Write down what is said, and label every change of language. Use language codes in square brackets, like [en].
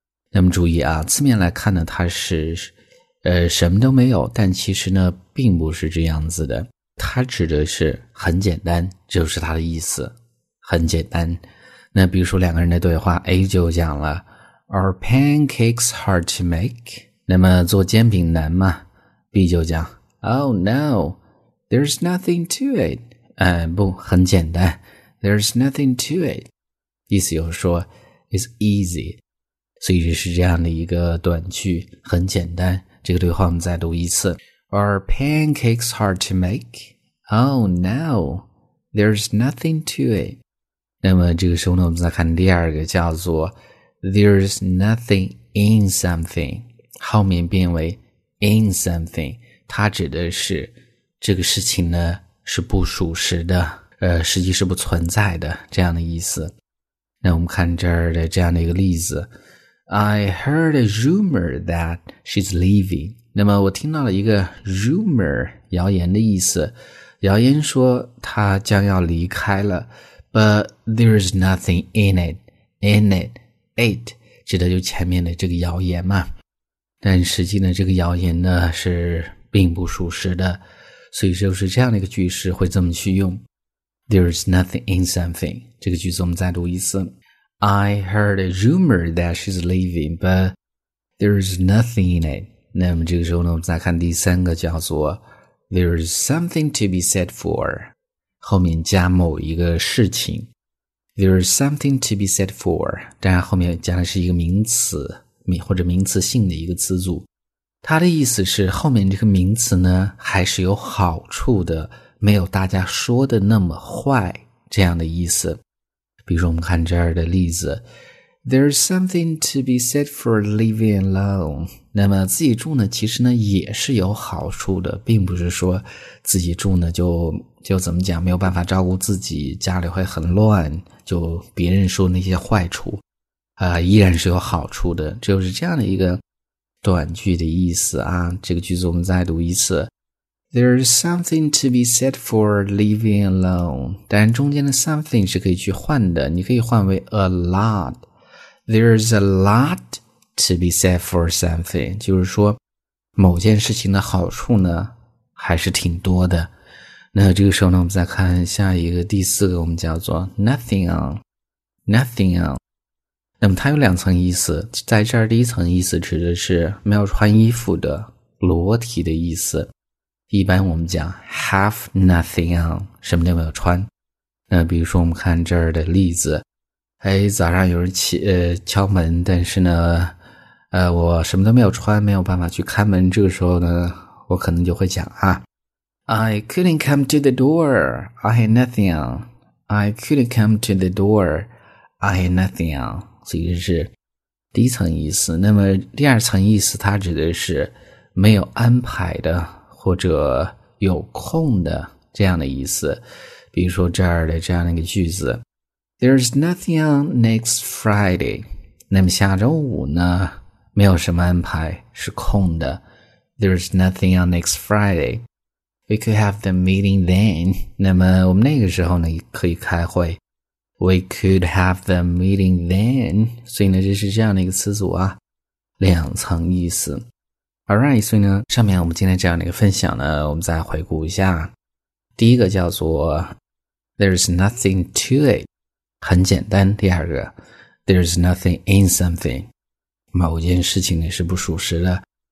[zh] 那么注意啊，字面来看呢，它是。什么都没有，但其实呢并不是这样子的，它指的是很简单，就是它的意思很简单。那比如说两个人的对话， A 就讲了 [en] Are pancakes hard to make? [zh] 那么做煎饼难吗？ [en] B 就讲 Oh no, there's nothing to it、 [zh] 不，很简单， [en] There's nothing to it。 [zh] 意思又说 [en] It's easy。 [zh] 所以这是这样的一个短句，很简单。这个对话我们再读一次。 [en] Are pancakes hard to make? Oh no, there's nothing to it. [zh] 那么这个时候呢，我们再看第二个，叫做 [en] There's nothing in something. [zh] 后面变为 in something. 它指的是这个事情呢是不属实的，实际是不存在的，这样的意思。那我们看这儿的这样的一个例子。 [en] I heard a rumor that she's leaving. [zh] 那么我听到了一个 rumor, 谣言的意思。谣言说她将要离开了。 [en] But there's nothing in it. In it. It. [zh] 指的就前面的这个谣言嘛。但实际呢这个谣言呢是并不属实的。所以就是这样的一个句式会这么去用。 [en] There's nothing in something. [zh] 这个句子我们再读一次。 [en] I heard a rumor that she's leaving, but there's nothing in it. [zh] 那么这个时候呢，我们再看第三个，叫做 [en] There's something to be said for. [zh] 后面加某一个事情。 [en] There's something to be said for. [zh] 当然后面加的是一个名词，或者名词性的一个词组。它的意思是，后面这个名词呢，还是有好处的，没有大家说的那么坏，这样的意思。比如说我们看这儿的例子 [en] There's something to be said for living alone. [zh] 那么自己住呢其实呢也是有好处的，并不是说自己住呢就怎么讲没有办法照顾自己，家里会很乱，就别人说那些坏处依然是有好处的，就是这样的一个短句的意思啊。这个句子我们再读一次。 [en] There's something to be said for living alone. [zh] 但中间的 something 是可以去换的，你可以换为 a lot. [en] There's a lot to be said for something. [zh] 就是说某件事情的好处呢还是挺多的。那这个时候呢我们再看下一个第四个，我们叫做 nothing on. Nothing on. 那么它有两层意思，在这儿第一层意思指的是没有穿衣服的裸体的意思。一般我们讲 have nothing on, 什么都没有穿。那比如说我们看这儿的例子。哎，早上有人敲门，但是呢我什么都没有穿，没有办法去开门，这个时候呢我可能就会讲啊。 [en] I couldn't come to the door, I had nothing on. I couldn't come to the door, I had nothing on. [zh] 所以这是第一层意思。那么第二层意思它指的是没有安排的。或者有空的这样的意思，比如说这儿的这样的一个句子 [en] There's nothing on next Friday. [zh] 那么下周五呢没有什么安排，是空的。 [en] There's nothing on next Friday. We could have the meeting then. [zh] 那么我们那个时候呢可以开会。 [en] We could have the meeting then. [zh] 所以呢这是这样的一个词组啊，两层意思。 Alright, 所以呢上面我们今天这样的一个分享呢，我们再回顾一下。第一个叫做 [en] There's nothing to it, [zh] 很简单。第二个 [en] There's nothing in something, [zh] 某件事情呢是不属实的。